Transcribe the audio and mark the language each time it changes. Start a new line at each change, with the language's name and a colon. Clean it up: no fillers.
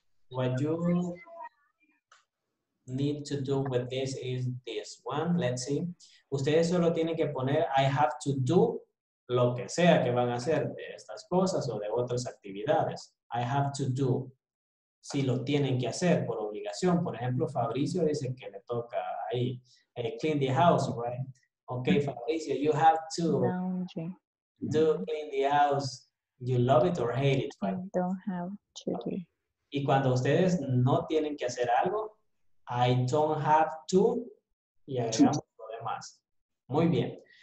English: What you need to do with this is this one. Let's see.
Spanish: Ustedes solo tienen que poner
English: I have to do
Spanish: lo que sea que van a hacer de estas cosas o de otras actividades. I have to do. Si lo tienen que hacer por obligación. Por ejemplo, Fabricio dice que le toca ahí.
English: Clean the house, right? Okay, Fabricio, you have to do clean the house. You love it or hate it, right? I don't have to do.
Spanish: Y cuando ustedes no tienen que hacer algo,
English: I don't have to,
Spanish: y agregamos lo demás. Muy bien.